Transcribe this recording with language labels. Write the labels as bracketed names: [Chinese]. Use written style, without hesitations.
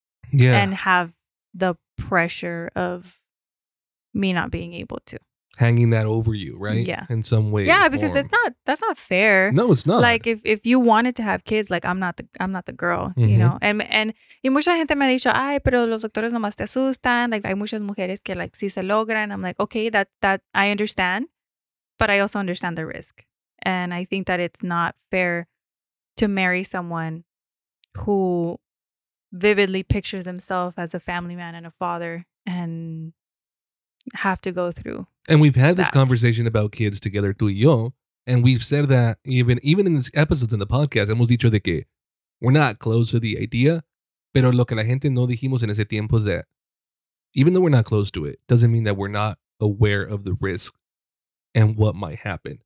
[English] Yeah. And have the pressure of me not being able to. Hanging that over you, right? Yeah. In some way. Yeah, because that's not fair. No, it's not. Like if you wanted to have kids, like I'm not the girl, you know? [Spanish] And y mucha gente me ha dicho, ay, pero los doctores nomás te asustan. Like hay muchas mujeres que like sí se logran. [English] I'm like, okay, that I understand. But I also understand the risk. And I think that it's not fair to marry someone who vividly pictures himself as a family man and a father and have to go through. And we've had this conversation about kids together, [Spanish] tú y yo, [English] and we've said that even in this episodes in the podcast, [Spanish] hemos dicho de que [English] we're not close to the idea, [Spanish] pero lo que la gente no dijimos en ese tiempo es [English] that even though we're not close to it, doesn't mean that we're not aware of the risk and what might happen.